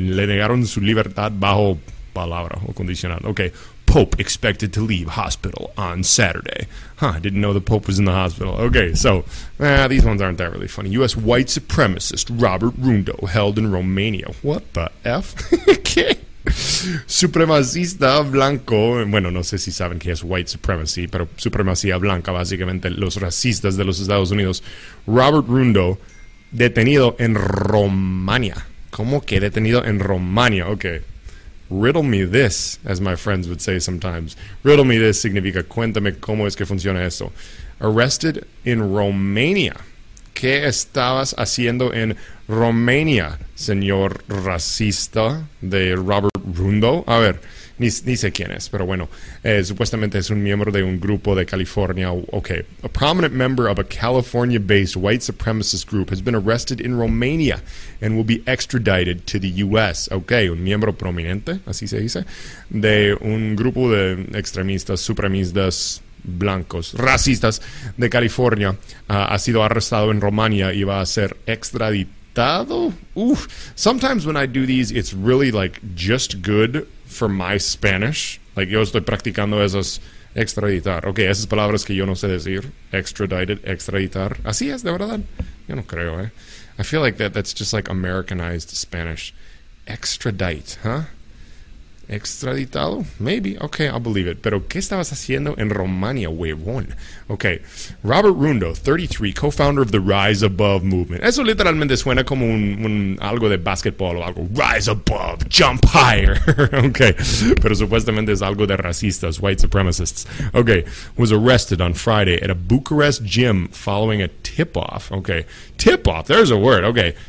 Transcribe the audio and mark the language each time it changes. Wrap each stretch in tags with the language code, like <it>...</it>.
<es>Le negaron su libertad bajo palabra o condicional.</es> <en>Okay. Pope expected to leave hospital on Saturday. Huh, I didn't know the Pope was in the hospital. Okay, so, these ones aren't that really funny. U.S. white supremacist Robert Rundo held in Romania. What the F? ¿Qué?</en> <es>Supremacista blanco. Bueno, no sé si saben qué es white supremacy, pero supremacía blanca, básicamente los racistas de los Estados Unidos. Robert Rundo, detenido en Romania. ¿Cómo que detenido en Romania? Okay.</es> <en>Riddle me this, as my friends would say sometimes.</en> <es>Riddle me this significa cuéntame cómo es que funciona esto.</es> <en>Arrested in Romania.</en> <es>¿Qué estabas haciendo en Romania, señor racista de Robert Rundo? A ver, ni sé quién es, pero bueno. Supuestamente es un miembro de un grupo de California.</es> <en>Okay. A prominent member of a California-based white supremacist group has been arrested in Romania and will be extradited to the U.S.</en> <es>Okay, un miembro prominente, así se dice, de un grupo de extremistas, supremistas blancos, racistas de California, ha sido arrestado en Romania y va a ser extraditado. Oof.</es> <en>Sometimes when I do these, it's really like just good for my Spanish.</en> <es>Like, yo estoy practicando esas extraditar. Okay, esas palabras que yo no sé decir. Extradited, extraditar. Así es, de verdad. Yo no creo, eh.</es> <en>I feel like that's just like Americanized Spanish. Extradite, huh? Extraditado? Maybe. Okay, I'll believe it.</en> <es>Pero, ¿qué estabas haciendo en Romania, huevón? Okay.</es> <en>Robert Rundo, 33, co-founder of the Rise Above movement.</en> <es>Eso literalmente suena como un algo de basketball o algo. Rise Above,</es> <en>jump higher.</en> <es>Okay. Pero supuestamente es algo de racistas, white supremacists.</es> <en>Okay. Was arrested on Friday at a Bucharest gym following a tip-off. Okay. Tip-off. There's a word. Okay.</en>